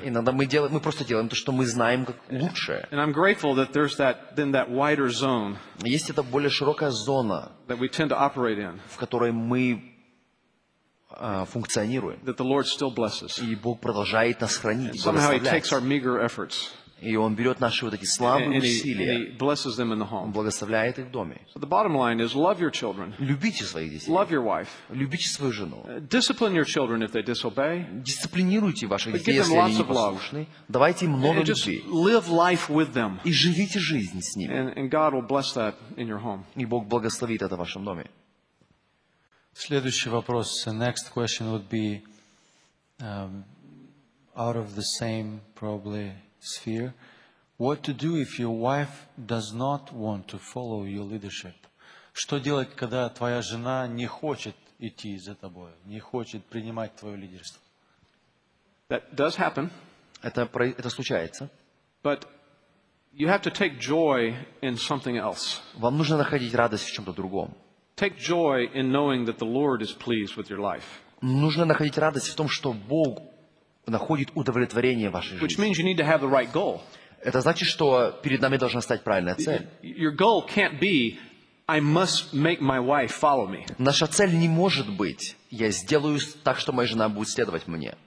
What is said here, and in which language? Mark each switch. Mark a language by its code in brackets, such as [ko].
[ru] Иногда мы просто делаем то, что мы знаем как лучше. [en] And I'm grateful that there's that wider zone. [ru] Есть эта более широкая зона. [en] That we tend to operate in. [ru] В которой мы функционируем. [en] That the Lord still blesses. [ru] И Бог продолжает нас хранить. [en] Somehow He takes our meager efforts. [ru] И он берет наши вот эти слабые усилия. Он благословляет их в доме. [en] So the bottom line is love your children. [ru] Любите своих детей. [en] Love your wife. [ru] Любите свою жену. [en] Discipline your children if they disobey. [ru] Дисциплинируйте ваших детей, если они непослушны. Давайте им много любви. [en] Live life with them. [ru] И живите жизнь с ними. [en] And God will bless that in your home. [ru] И Бог благословит это в вашем доме. Следующий вопрос. [en] The next question would be out of the same probably sphere. What to do if your wife does not want to follow your leadership? [ru] Что делать, когда твоя жена не хочет идти за тобой, не хочет принимать твое лидерство? [en] That does happen. [ru] Это случается. [en] But You have to take joy in something else. [ru] Вам нужно находить радость в чем-то другом. [en] Take joy in knowing that the Lord is pleased with your life. [ru] Нужно находить радость в том, что Бог находит удовлетворение в вашей жизни. [en] Which means you need to have the right goal. [ru] Это значит, что перед нами должна стать правильная цель. [en] Your goal can't be I must make my wife follow me. [ru] Наша цель не может быть я сделаю так, что моя жена будет следовать мне.